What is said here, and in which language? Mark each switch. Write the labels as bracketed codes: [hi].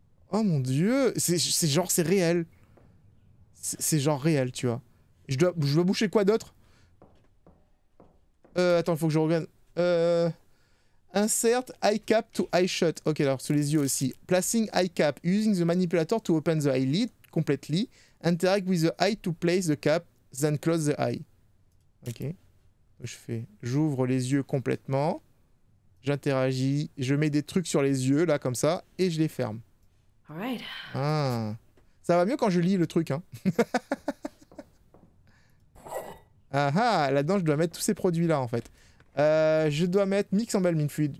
[fr] Oh mon dieu. C'est genre, c'est réel. C'est genre réel, tu vois. Je dois boucher quoi d'autre? Attends, il faut que je regarde. [en] Insert eye cap to eye shut. Ok, [fr] alors, sous les yeux aussi. [en] Placing eye cap. Using the manipulator to open the eyelid completely. Interact with the eye to place the cap, then close the eye. Ok. [fr] J'ouvre les yeux complètement. J'interagis. Je mets des trucs sur les yeux, là, comme ça. Et je les ferme. [en] All right. Ah. [fr] Ça va mieux quand je lis le truc, hein. Ah ah, là-dedans, je dois mettre tous ces produits-là, en fait. Je dois mettre [en] mix embalming fluid.